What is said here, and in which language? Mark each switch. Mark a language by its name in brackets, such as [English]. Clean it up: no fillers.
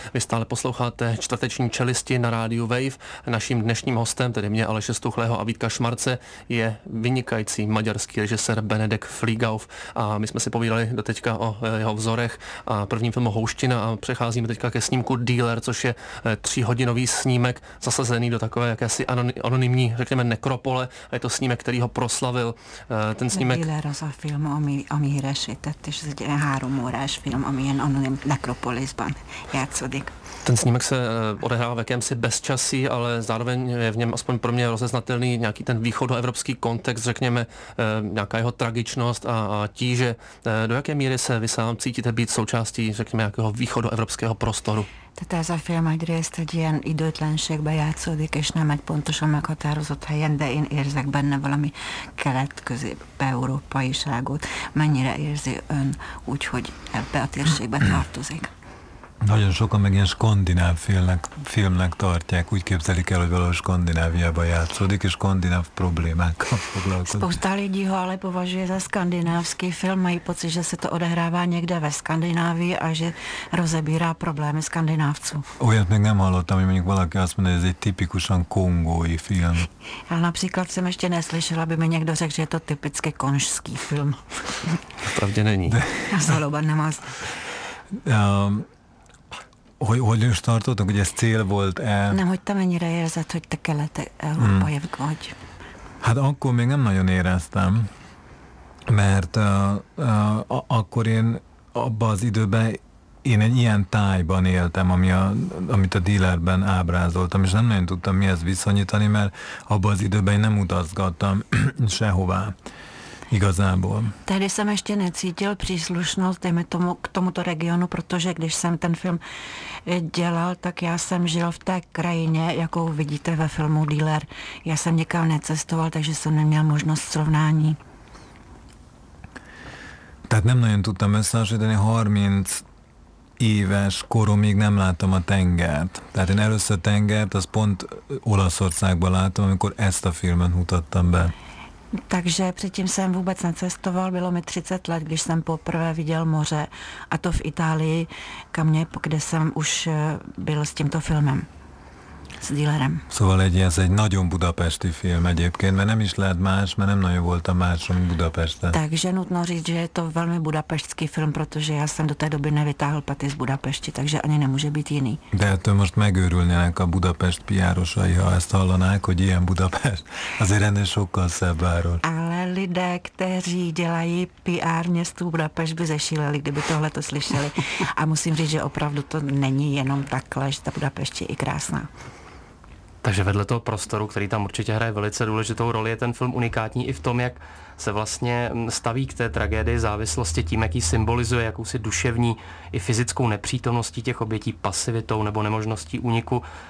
[Czech] Vy stále posloucháte čtvrteční Čelisti na rádiu Wave. Naším dnešním hostem, tedy mě Aleše Stuchlého a Vítka Šmarce, je vynikající maďarský režisér Benedek Fliegauf. A my jsme si povídali doteďka o jeho vzorech a prvním filmu Houština a přecházíme teďka ke snímku Dealer, což je tříhodinový snímek zasazený do takové jakési anonymní, řekněme, nekropole. A je to snímek, který ho proslavil. Ten snímek. [Hungarian] A film, ami híresített, és ez egy három órás film, ami ilyen anonim nekropoliszban játszódik. [Czech] Ten snímek se odehrává v jakémsi bezčasí, ale zároveň je v něm aspoň pro mě rozeznatelný nějaký ten východoevropský kontext, řekněme, nějaká jeho tragičnost a tíže. Do jaké míry se vy sám cítíte být součástí, řekněme, nějakého východoevropského prostoru? [Hungarian] Tehát ez a film egyrészt egy ilyen időtlenségbe játszódik, és nem egy pontosan meghatározott helyen, de én érzek benne valami kelet-közép-európaiságot. Mennyire érzi ön úgy, hogy ebbe a térségbe tartozik? Nagyon sokan meg ilyen skandináv filmnek tartják, úgy képzelik el, hogy valahol Skandináviában játszódik, és skandináv problémákkal foglalkozik. [Czech] Spousta lidí ho ale považuje za skandinávský film, mají pocit, že se to odehrává někde ve Skandinávii a že rozebírá problémy skandinávců. [Hungarian] Olyat még nem hallottam, hogy mondjuk valaki azt mondja, hogy ez egy tipikusan kongói film. [Czech] Já například jsem ještě neslyšel, aby mi někdo řekl, že je to typicky konžský film. Pravdě není. [Hungarian] Já zhaloban nem az. Hogy is tartottunk, hogy ez cél volt-e? Nem, hogy te mennyire érzed, hogy te kelet-európai vagy. Hát akkor még nem nagyon éreztem, mert akkor én abban az időben én egy ilyen tájban éltem, amit a dealerben ábrázoltam, és nem nagyon tudtam mihez viszonyítani, mert abban az időben én nem utazgattam sehová. Igazából. [Czech] Tehdy jsem ještě necítil příslušnost, dejme tomu, k tomuto regionu, protože když jsem ten film dělal, tak já jsem žil v té krajině, jakou vidíte ve filmu Dealer. Já jsem někam necestoval, takže jsem neměl možnost srovnání. [Hungarian] Tehát nem nagyon tudtam összehasonlítani, 30 éves koromig nem láttam a tengert. Tehát én először tengert, az pont Olaszországban láttam, amikor ezt a filmet mutattam be. [Czech] Takže předtím jsem vůbec necestoval, bylo mi 30 let, když jsem poprvé viděl moře, a to v Itálii, kde jsem už byl s tímto filmem, s dílerem. [Hungarian] Szóval ez egy nagyon budapesti film egyébként, mert nem is lehet más, mert nem nagyon voltam máson Budapesten. [Czech] Takže nutno říct, že je to velmi budapeštský film, protože já jsem do té doby nevytáhl paty z Budapešti, takže ani nemůže být jiný. [Hungarian] De to most megőrülnének a Budapest piárosai, ha ezt hallanák, hogy ilyen Budapest, azért ennél sokkal szebb város. [Czech] Ale lidé, kteří dělají PR městu Budapešť, by zešíleli, kdyby tohle to slyšeli. A musím říct, že opravdu to není jenom takhle, že ta Budapešť je i krásná. Takže vedle toho prostoru, který tam určitě hraje velice důležitou roli, je ten film unikátní i v tom, jak se vlastně staví k té tragédii závislosti tím, jak ji symbolizuje jakousi duševní i fyzickou nepřítomností těch obětí, pasivitou nebo nemožností úniku.